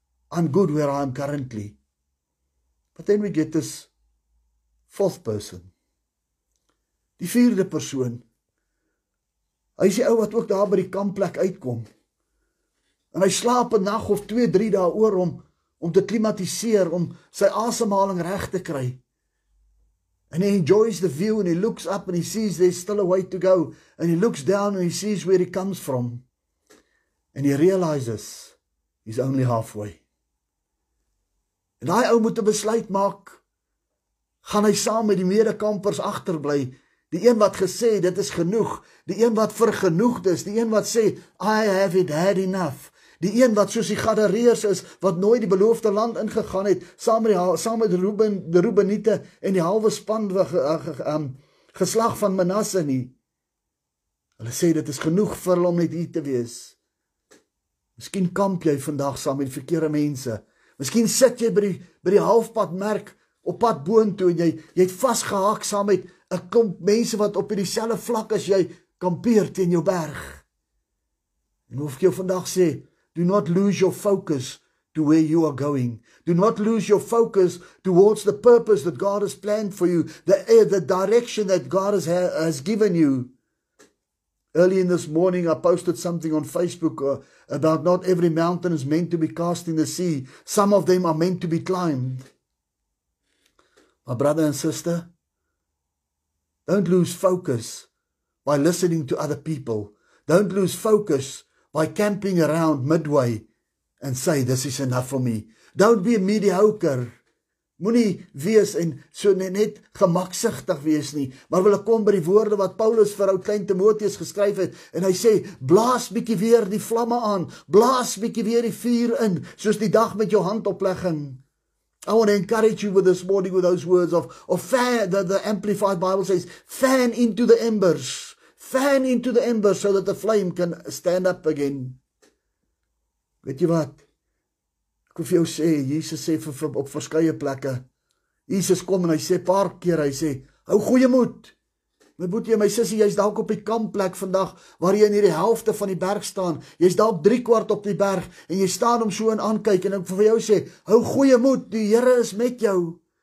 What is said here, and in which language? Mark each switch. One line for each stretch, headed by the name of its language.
English: I'm good where I am currently. But then we get this fourth person.
Afrikaans: Die vierde persoon. Hy is die ou wat ook daar by die kampplek uitkom. En hy slaap 'n nag of 2-3 dae oor om te klimatiseer, om sy asemhaling reg te kry.
English: And he enjoys the view and he looks up and he sees there's still a way to go. And he looks down and he sees where he comes from. And he realizes he's only halfway.
Afrikaans: En daai ou moet 'n besluit maak. Gaan hy saam met die medekampers agterbly? Die een wat gesê dit is genoeg. Die een wat vergenoegd is. Die een wat sê,
English: I have it had enough.
Afrikaans: Die een wat soos die Gadareërs is, wat nooit die beloofde land ingegaan het, saam met Reuben, die Reubeniete en die halwe span geslag van Manasse nie. Hulle sê dit is genoeg vir hulle om net hier te wees. Miskien kamp jy vandag saam met die verkeerde mense. Miskien sit jy by die halfpad merk op pad boontoe en jy het vasgehaak saam met 'n klomp mense wat op dieselfde vlak as jy kampeer teen jou berg. En hoef ek jou vandag sê,
English: do not lose your focus to where you are going. Do not lose your focus towards the purpose that God has planned for you, the direction that God has given you. Early in this morning, I posted something on Facebook about not every mountain is meant to be cast in the sea. Some of them are meant to be climbed. My brother and sister, don't lose focus by listening to other people. Don't lose focus by camping around midway and say, this is enough for me. Don't be a mediocre.
Afrikaans: Moenie wees en so net gemaksigtig wees nie, maar wil ek kom by die woorde wat Paulus vir ou klein Timoteus geskryf het, en hy sê, blaas bietjie weer die vlamme aan, blaas bietjie weer die vuur in, soos die dag met jou handoplegging.
English: I want to encourage you with this morning with those words of fan, the Amplified Bible says, fan into the embers, fan into the embers, so that the flame can stand up again.
Afrikaans: Weet jy wat? Ek wil vir jou sê, Jesus sê op verskeie plekke, Jesus kom en hy sê paar keer, hy sê, hou goeie moed, my boetie en my sissie, jy is dalk op die kampplek vandag, waar jy in die helfte van die berg staan, jy is dalk drie kwart op die berg, en jy staan om so en aankyk, en ek wil vir jou sê, hou goeie moed, die Here is met jou.